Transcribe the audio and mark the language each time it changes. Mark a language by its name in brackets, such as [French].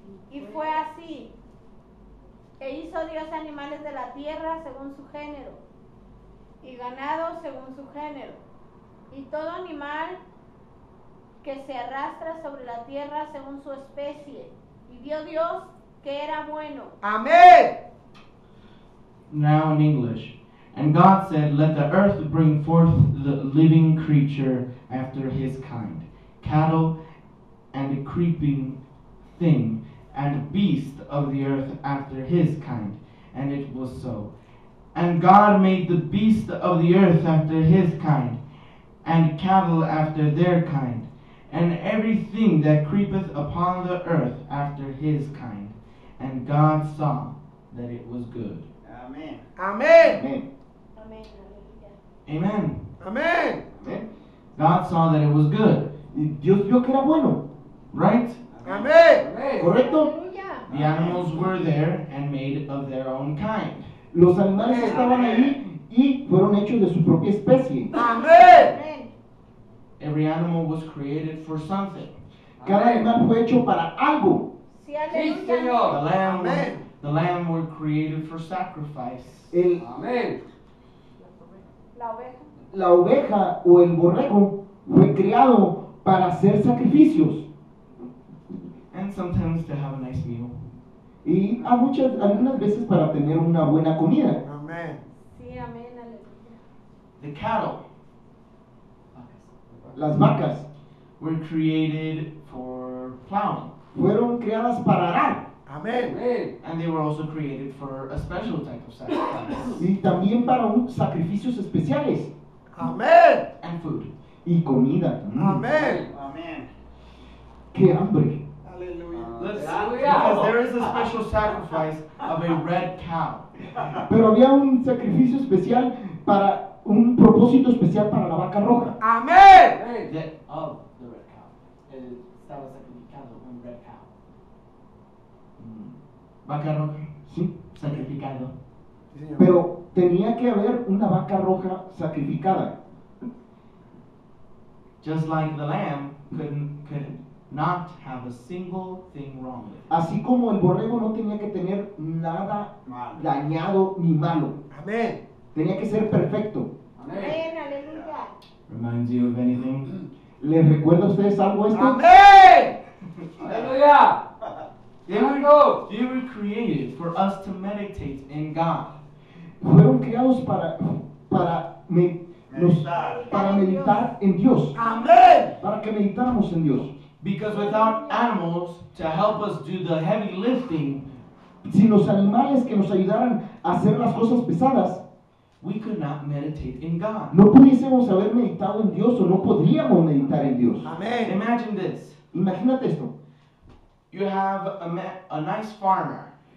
[Spanish] Y fue así, e hizo Dios animales de la tierra según su género, y ganado según su género, y todo animal que se arrastra sobre la tierra según su especie, y vio Dios que era bueno. Amén. [English] Now in English. And God said, let the earth bring forth the living creature after his kind, cattle and a creeping thing, and beast of the earth after his kind. And it was so. And God made the beast of the earth after his kind, and cattle after their kind, and everything that creepeth upon the earth after his kind. And God saw that it was good. Amen. Amen. Amen. Amen. Amen. Amen. God saw that it was good. [Spanish] Dios vio que era bueno. [English] Right? Amen. [Spanish] Correcto. [English] The animals were there and made of their own kind. [Spanish] Los animales Amen. Estaban ahí y fueron hechos de su propia especie. [English] Amen. Every animal was created for something. [Spanish] Cada animal fue hecho para algo. Sí, aleluya. Sí, señor. [English] The lamb, Amen. The lamb were created for sacrifice. Amen. [Spanish] La oveja. La oveja o el borrego fue creado para hacer sacrificios. [English] And sometimes to have a nice meal. [Spanish] Y algunas veces para tener una buena comida. Amén. Sí, amén, aleluya. [English] The cattle. [Spanish] Las vacas. [English] Were created for plowing. [Spanish] Fueron creadas para arar. [English] Amen. And they were also created for a special type of sacrifice. [Spanish] Y también para sacrificios especiales. [English] Amen. And food. [Spanish] Y comida. [English] Amen. Amen. [Spanish] Qué hambre. Aleluya. [English] Because there is a special sacrifice of a red cow. [Spanish] Pero había un sacrificio especial para un propósito especial para la vaca roja. [English] Amen. The red cow. [Spanish] Estaba sacrificado un [English] red cow. [Spanish] Vaca roja, sí, sacrificado. Pero tenía que haber una vaca roja sacrificada. [English] Just like the lamb could not have a single thing wrong with it. [Spanish] Así como el borrego no tenía que tener nada malo, dañado ni malo. Amén. Tenía que ser perfecto. Amén. Aleluya. [English] Reminds you of anything? [Spanish] ¿Le recuerda a ustedes algo esto? Amén. Aleluya. [English] They were created for us to meditate in God. [Spanish] Fueron creados para meditar en Dios. Amén. Para que meditáramos en Dios. [English] Because without animals to help us do the heavy lifting, [Spanish] sin los animales que nos ayudaran a hacer las cosas pesadas, [English] we could not meditate in God. [Spanish] No pudiésemos haber meditado en Dios o no podríamos meditar en Dios. Amén. [English] Imagine this. [Spanish] Imagínate esto. [English] You have a nice farmer.